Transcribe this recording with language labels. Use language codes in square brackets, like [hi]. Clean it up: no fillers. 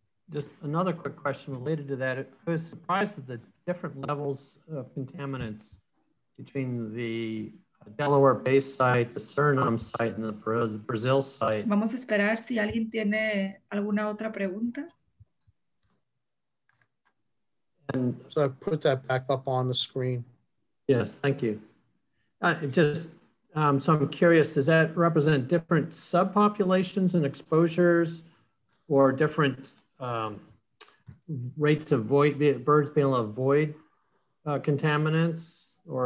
[en] Just another quick question related to that. I was surprised at the different levels of contaminants between the Delaware Bay site, the Suriname site, and the Brazil site. [es] Vamos a esperar si alguien tiene alguna otra pregunta. [en] And so I put that back up on the screen. Yes, thank you. So I'm curious, does that represent different subpopulations and exposures or different rates of birds being able to avoid contaminants?